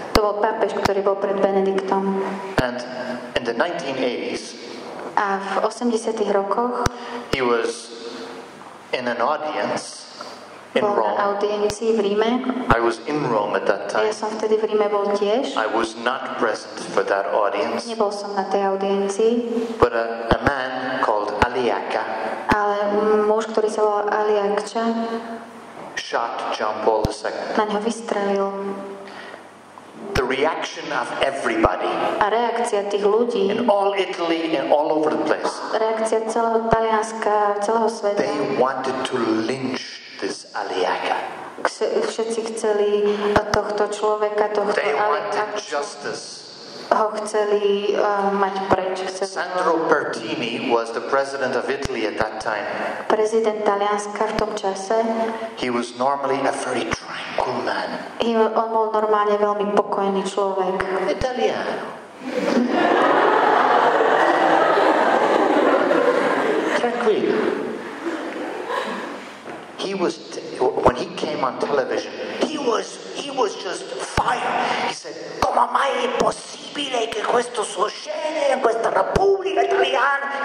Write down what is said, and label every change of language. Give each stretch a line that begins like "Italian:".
Slovak: To bol pápež, ktorý bol pred Benediktom.
English: And in the 1980s,
Slovak: a v 80-tych rokoch,
English: he was in an audience in Rome.
Slovak: Audiencii v Ríme.
English: I was in Rome at that time.
Slovak: Ja som vtedy v Ríme bol tiež.
English: I was not present for that audience.
Slovak: Nebol som na tej audiencii.
English: But a man called Aliaca.
Slovak: Ale muž, ktorý sa volal Aliakča,
English: shot John Paul II.
Slovak: Na neho vystrelil.
English: The reaction of everybody.
Slovak: A reakcia tých ľudí.
English: In all Italy and all over the place.
Slovak: Reakcia celého Talianska, celého sveta.
English: They wanted to lynch this Aliaca.
Slovak: Všetci chceli tohto človeka, tohto Aliaca.
English: They wanted justice.
Slovak: Ho chceli mať preč.
English: Sandro Pertini was the president of Italy at that time.
Slovak: Prezident Talianska v tom čase.
English: He was normally a very tranquil man.
Slovak: On bol normálne veľmi pokojný človek.
Italian: Italiano.
English: Tranquil. He was, when he came on television, he was just fire. He said, come on, my impossible.
Italian: possibile che questo succeda in questa Repubblica Italiana?